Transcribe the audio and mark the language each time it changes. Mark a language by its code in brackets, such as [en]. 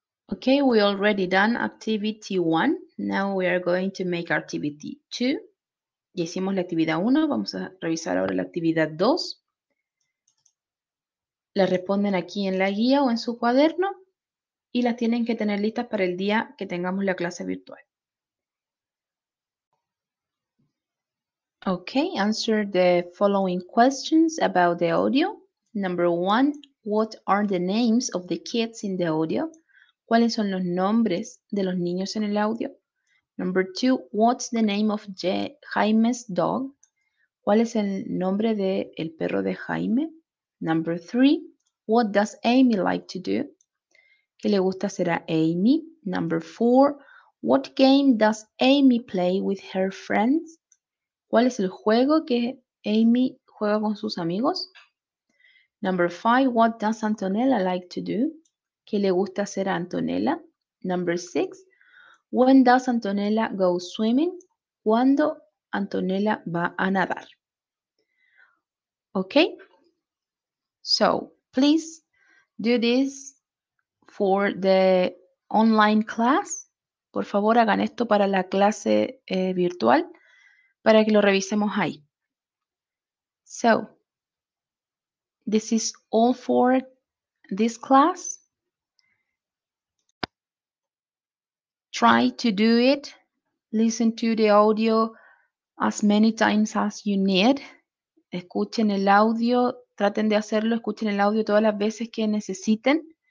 [en] Ok, we already done activity one. Now we are going to make activity two. [es] Ya hicimos la actividad 1, vamos a revisar ahora la actividad 2. La responden aquí en la guía o en su cuaderno y las tienen que tener listas para el día que tengamos la clase virtual. [en] Ok, answer the following questions about the audio. Number one, what are the names of the kids in the audio? [es] ¿Cuáles son los nombres de los niños en el audio? [en] Number two, what's the name of Jaime's dog? [es] ¿Cuál es el nombre del perro de Jaime? [en] Number three, what does Amy like to do? ¿Qué le gusta hacer a Amy? Number four, what game does Amy play with her friends? [es] ¿Cuál es el juego que Amy juega con sus amigos? [en] Number five, what does Antonella like to do? ¿Qué le gusta hacer a Antonella? Number six, when does Antonella go swimming? [es] ¿Cuándo Antonella va a nadar? Okay? [en] So, please do this for the online class. [es] Por favor, hagan esto para la clase virtual para que lo revisemos ahí. [en] So, this is all for this class. Try to do it. Listen to the audio as many times as you need. [es] Escuchen el audio. Traten de hacerlo. Escuchen el audio todas las veces que necesiten.